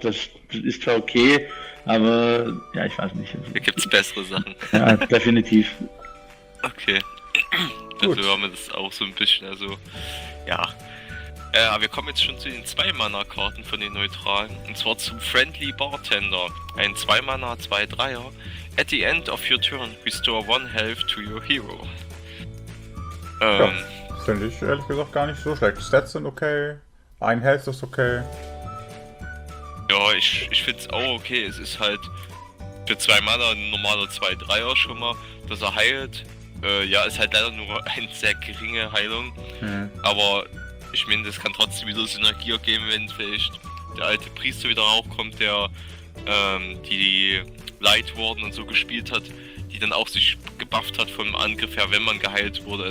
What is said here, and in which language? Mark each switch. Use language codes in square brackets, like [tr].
[de] Das ist zwar okay, aber ja, ich weiß nicht. Da gibt's bessere Sachen. Ja, definitiv. Okay. Dafür haben wir das auch so ein bisschen, also ja. Wir kommen jetzt schon zu den 2-Mana-Karten von den Neutralen. Und zwar zum Friendly Bartender. Ein 2-Mana 2-3er. [en] At the end of your turn, restore one health to your hero. [de] Ja, finde ich ehrlich gesagt gar nicht so schlecht. Stats sind okay, ein Health ist okay. Ja, ich finde es auch okay. Es ist halt für 2-Mana ein normaler 2-3er schon mal, dass er heilt. Ja, ist halt leider nur eine sehr geringe Heilung. Aber ich meine, das kann trotzdem wieder Synergie ergeben, wenn vielleicht der alte Priester wieder raufkommt, der die Light Warden und so gespielt hat, die dann auch sich gebufft hat vom Angriff her, wenn man geheilt wurde.